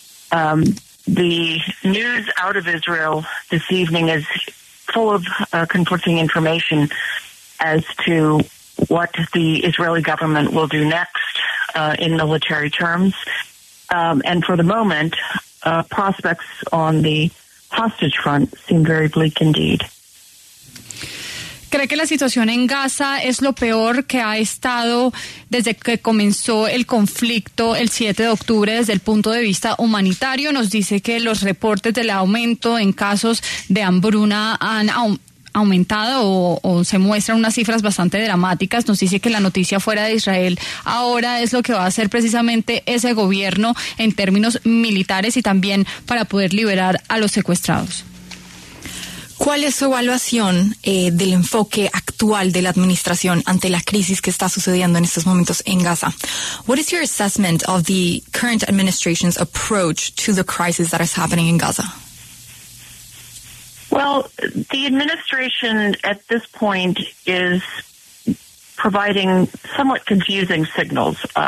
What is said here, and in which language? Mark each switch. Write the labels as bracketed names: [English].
[English] The news out of Israel this evening is full of conflicting information as to what the Israeli government will do next in military terms. And for the moment, prospects on the hostage front seem very bleak indeed. [Spanish] ¿Cree que la situación en Gaza es lo peor que ha estado desde que comenzó el conflicto el 7 de octubre desde el punto de vista humanitario? Nos dice que los reportes del aumento en casos de hambruna han aumentado o se muestran unas cifras bastante dramáticas. Nos dice que la noticia fuera de Israel ahora es lo que va a hacer precisamente ese gobierno en términos militares y también para poder liberar a los secuestrados. ¿Cuál es su evaluación del enfoque actual de la administración ante la crisis que está sucediendo en estos momentos en Gaza? [English] What is your assessment of the current administration's approach to the crisis that is happening in Gaza? Well, the administration at this point is providing somewhat confusing signals.